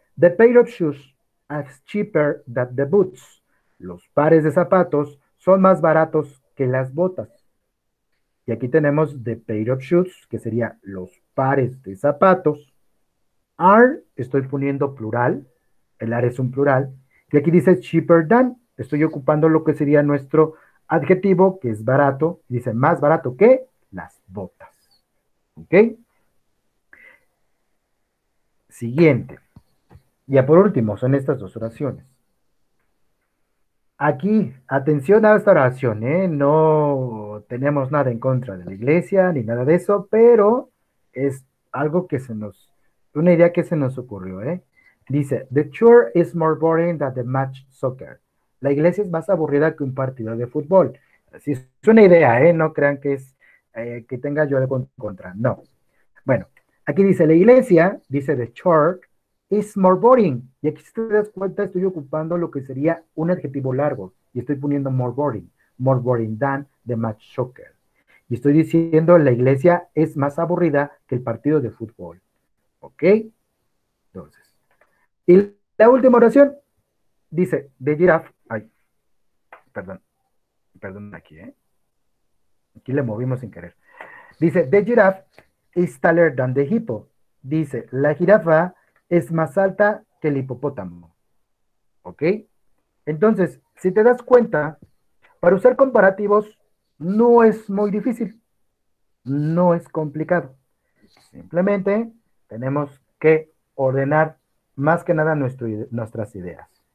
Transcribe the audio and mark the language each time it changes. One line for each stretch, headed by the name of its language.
English: The pair of shoes are cheaper than the boots.
Spanish: Los pares de zapatos son más baratos que las botas. Y aquí tenemos
English: the pair of shoes,
Spanish: que sería los pares de zapatos. Are, estoy poniendo plural. El are es un plural. Y aquí dice
English: cheaper than.
Spanish: Estoy ocupando lo que sería nuestro adjetivo, que es barato. Dice más barato que las botas. ¿Ok? Siguiente. Ya por último, son estas dos oraciones. Aquí, atención a esta oración, ¿eh? No tenemos nada en contra de la iglesia ni nada de eso, pero es algo que se nos, una idea que se nos ocurrió, ¿eh? Dice,
English: the chore is more boring than the match soccer.
Spanish: La iglesia es más aburrida que un partido de fútbol. Así es una idea, ¿eh? No crean que es que tenga yo algo en contra, no. Bueno, aquí dice la iglesia, dice
English: the chore is more boring.
Spanish: Y aquí si te das cuenta, estoy ocupando lo que sería un adjetivo largo. Y estoy poniendo
English: more boring than the match soccer.
Spanish: Y estoy diciendo la iglesia es más aburrida que el partido de fútbol. ¿Ok? Entonces, y la última oración dice
English: the giraffe,
Spanish: aquí le movimos sin querer. Dice,
English: the giraffe is taller than the hippo.
Spanish: Dice, la jirafa es más alta que el hipopótamo. ¿Ok? Entonces, si te das cuenta, para usar comparativos no es muy difícil. No es complicado. Simplemente tenemos que ordenar más que nada nuestras ideas.